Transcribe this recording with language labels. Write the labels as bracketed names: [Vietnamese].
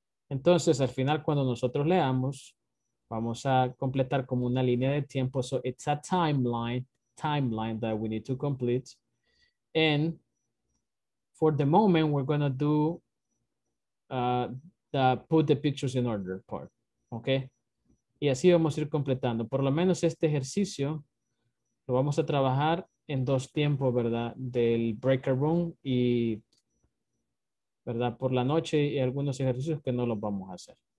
[Spanish] Entonces, al final, cuando nosotros leamos, vamos a completar como una línea de tiempo. [English] So, it's a timeline that we need to complete. And for the moment, we're going to do put the pictures in order part. [Spanish] Okay? Y así vamos a ir completando. Por lo menos este ejercicio lo vamos a trabajar en dos tiempos, ¿verdad? Del breakout room y, ¿verdad? Por la noche y algunos ejercicios que no los vamos a hacer.